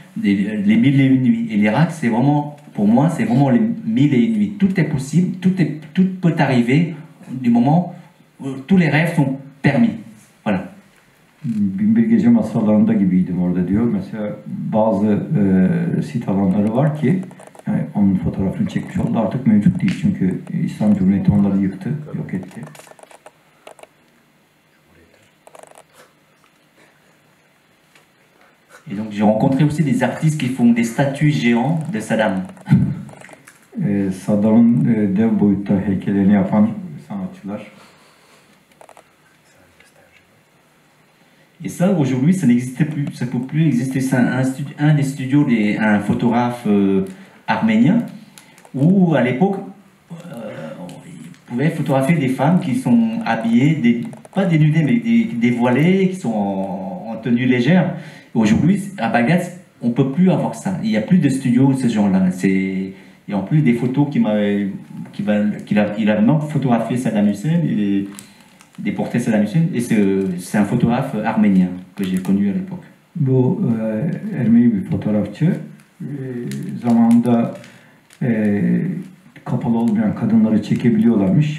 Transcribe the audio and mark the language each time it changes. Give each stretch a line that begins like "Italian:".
French: Les mille et une nuits. Et l'Irak, c'est vraiment, pour moi, c'est vraiment les mille et une nuits. Tout est possible, tout peut arriver du moment où tous les rêves sont permis. Voilà.
Turkish: Bin bir gece masallarında gibiydim orada diyor. Mesela bazı sit alanları var ki, yani onun fotoğrafını çekmiş oldu, artık mevcut değil çünkü İslam Cumhuriyeti onları yıktı, yok etti.
French: Et donc j'ai rencontré aussi des artistes qui font des statues géantes de Saddam.
Turkish: Saddam'ın dev boyutta heykellerini yapan sanatçılar.
French: Et ça, aujourd'hui, ça n'existe plus. Ça ne peut plus exister. C'est un des studios d'un photographe arménien où, à l'époque, il pouvait photographier des femmes qui sont habillées, pas dénudées, mais des voilées, qui sont en tenue légère. Et aujourd'hui, à Bagdad, on ne peut plus avoir ça. Il n'y a plus de studio de ce genre-là. Et en plus, des photos qu'il a même photographié Saddam Hussein. Des portraits Saddam Hussein, et c'est un photographe arménien que j'ai connu à l'époque.
Turkish: Bu Ermeni bir fotoğrafçı, zamanında kapalı olmayan kadınları çekebiliyorlarmış.